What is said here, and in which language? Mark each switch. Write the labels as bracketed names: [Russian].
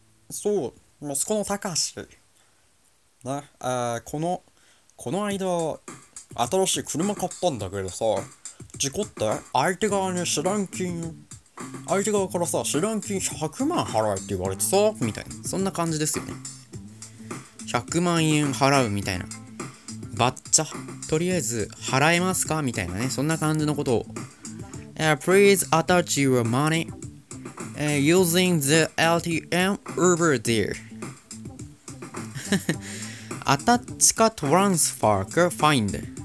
[Japanese] そう息子の高橋な、この間新しい車買ったんだけどさ、事故って相手側に知らん金、相手側からさ、知らん金100万払えって言われてさ、みたいな。そんな感じですよね。100万円払うみたいな。バッチャ。とりあえず、払えますかみたいなね。そんな感じのことを。 [English] Please attach your money using the LTM over there. [Japanese] アタッチかトランスファーかファインド。